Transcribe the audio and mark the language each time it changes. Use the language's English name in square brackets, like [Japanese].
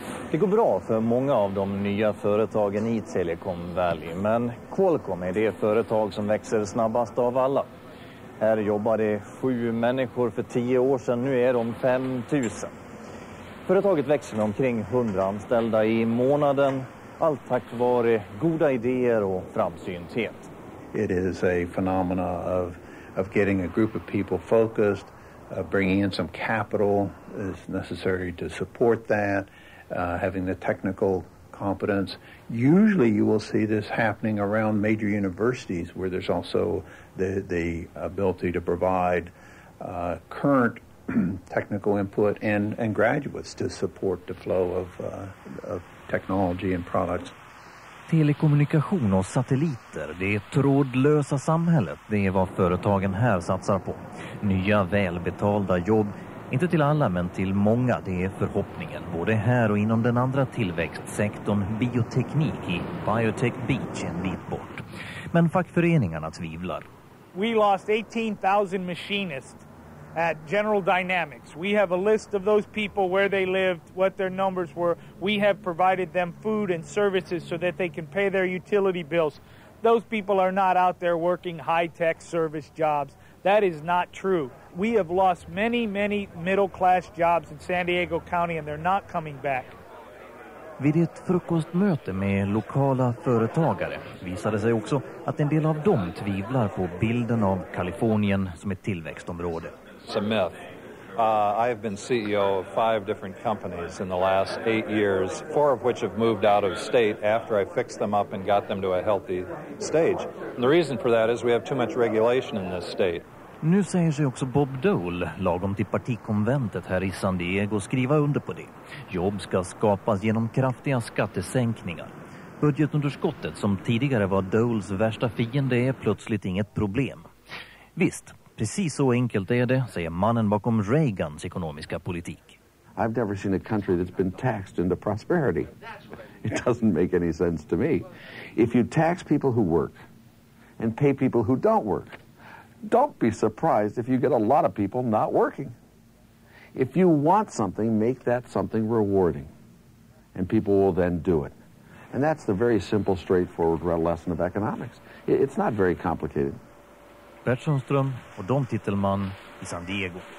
[Swedish] Det går bra för många av de nya företagen i Telecom Valley, men Qualcomm är det företag som växer snabbast av alla. Här jobbade 7 människor för 10 år sedan, nu är de 5 000. Företaget växer med omkring 100 anställda i månaden, allt tack vare goda idéer och framsynthet. [English] It is a phenomena of getting a group of people focused, bringing in some capital is necessary to support that. Having the technical competence. Usually you will see this happening around major universities where there's also the ability to provide current technical input and graduates to support the flow of technology and products. [Swedish] Telekommunikation och satelliter, det trådlösa samhället, det är vad företagen här satsar på. Nya välbetalda jobb. Inte till alla, men till många, det är förhoppningen. Både här och inom den andra tillväxtsektorn, bioteknik i Biotech Beach en bit bort. Men fackföreningarna tvivlar. [English] We lost 18,000 machinists at General Dynamics. We have a list of those people, where they lived, what their numbers were. We have provided them food and services so that they can pay their utility bills. Those people are not out there working high-tech service jobs. That is not true. We have lost many, many middle-class jobs in San Diego County, and they're not coming back. [Swedish] Vid ett frukostmöte med lokala företagare visade sig också att en del av dem tvivlar på bilden av Kalifornien som ett tillväxtområde. [English] It's a myth. I have been CEO of 5 different companies in the last 8 years, 4 of which have moved out of state after I fixed them up and got them to a healthy stage. And the reason for that is we have too much regulation in this state. [Swedish] Nu säger sig också Bob Dole, lagom till partikonventet här i San Diego, skriva under på det. Jobb ska skapas genom kraftiga skattesänkningar. Budgetunderskottet, som tidigare var Doles värsta fiende, är plötsligt inget problem. Visst, precis så enkelt är det, säger mannen bakom Reagans ekonomiska politik. [English] I've never seen a country that's been taxed into prosperity. It doesn't make any sense to me. If you tax people who work and pay people who don't work, don't be surprised if you get a lot of people not working. If you want something, make that something rewarding, and people will then do it. And that's the very simple, straightforward lesson of economics. It's not very complicated. [Swedish] Bert Sundström och Dom Tittelman i San Diego.